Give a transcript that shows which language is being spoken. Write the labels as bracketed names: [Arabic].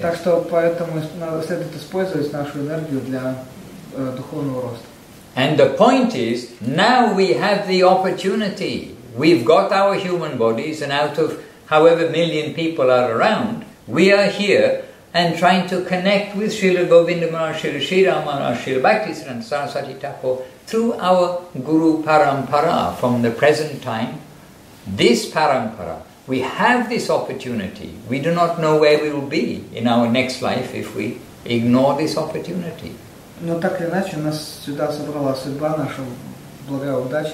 [Russian] Так что поэтому следует использовать нашу энергию для духовного роста. [English] And the point is, now we have the opportunity. We've got our human bodies, and out of however million people are around, we are here and trying to connect with Srila Govinda Maharaj, Srila Sri Rama Maharaj, Srila Bhaktisiddhanta Saraswati Thakur through our Guru Parampara from the present time. This parampara, we have this opportunity. We do not know where we will be in our next life if we ignore this opportunity. [Russian] Но так или иначе, нас сюда собрала судьба наша, благая удача.